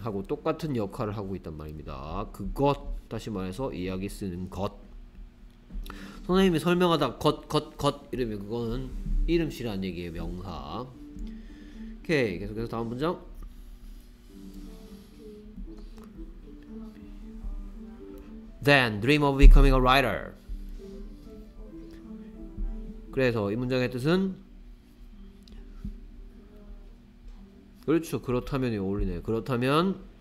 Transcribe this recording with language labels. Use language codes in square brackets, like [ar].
[ko] 하고 똑같은 역할을 하고 있단 말입니다. 그것, 다시 말해서 이야기 쓰는 것. 선생님이 설명하다 것, 것, 것 이러면 그거는 이름 씨란 얘기예요, 명사. 오케이, 계속해서 다음 문장. [en] 'Then dream of becoming a writer.' [ko] 그래서 이 문장의 뜻은, 그렇죠, 그렇다면이 어울리네요. 그렇다면